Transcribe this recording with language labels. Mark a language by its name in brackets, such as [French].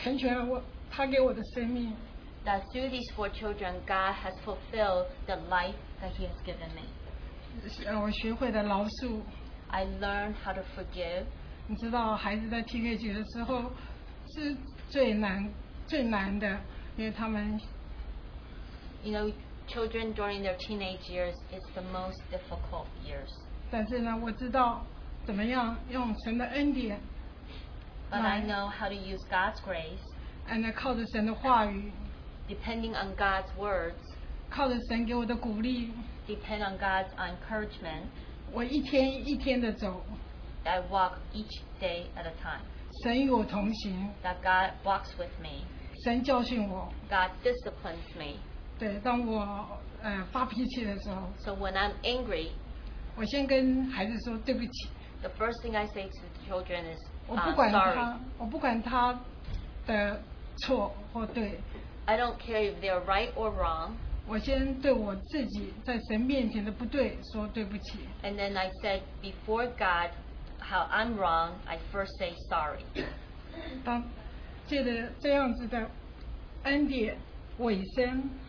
[Chinese] 借着四个孩子，神成全了我，他给我的生命。 [English] That through these four children, God has fulfilled the life that He has given me. [Chinese] 我学会了饶恕。 [English] I learned how to forgive. [Chinese] 你知道，孩子在teenage的时候是最难的，因为他们。 [English] Children during their teenage years is the most difficult years. [Chinese] 但是呢，我知道怎么样用神的恩典。But [English] I know how to use God's grace. [Chinese] And 靠着神的话语。 [English] Depending on God's words. [Chinese] 靠着神给我的鼓励。 [English] Depend on God's encouragement. [Chinese] 我一天一天的走。 [English] I walk each day at a time. [Chinese] 神与我同行。 [English] That God walks with me. [Chinese] 神教训我。 [English] God disciplines me. [Chinese] 对，当我发脾气的时候， [English] So when I'm angry, [Chinese] 我先跟孩子说对不起。 [English] The first thing I say to the children is, [Chinese] 我不管他的错或对。 [English] I don't care if they're right or wrong. [Chinese] 我先对我自己在神面前的不对说对不起。 [English] And then I said before God how I'm wrong, I first say sorry. [Chinese] 当借着这样子的恩典尾声。